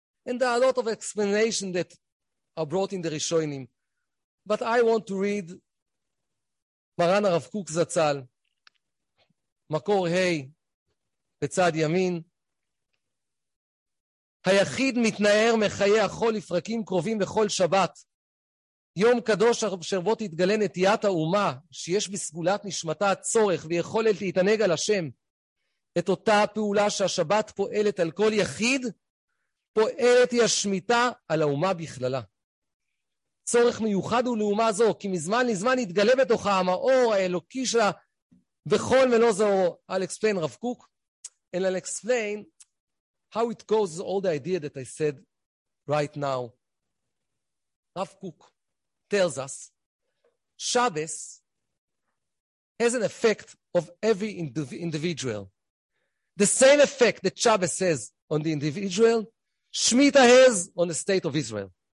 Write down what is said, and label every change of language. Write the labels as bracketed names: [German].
[English] And there are a lot of explanations that are brought in the Rishonim. But I want to read Maran Rav Kook Zatzal, Makor Hei, Betzad Yamin, [Hebrew] היחיד מתנער מחיי החול לפרקים קרובים בכל שבת. יום קדוש אשר בו תתגלה נטיית האומה, שיש בסגולת נשמתה הצורך ויכולת להתענג על השם. את אותה הפעולה שהשבת פועלת על כל יחיד, פועלת היא השמיטה על האומה בכללה. צורך מיוחד הוא לאומה זו, כי מזמן לזמן התגלה בתוכה המאור האלוקי שלה, וכל מלא זו, [English] I'll explain רב קוק, and I'll explain, how it goes is all the idea that I said right now. Rav Kook tells us, Shabbos has an effect of every individual. The same effect that Shabbos has on the individual, Shemitah has on the state of Israel.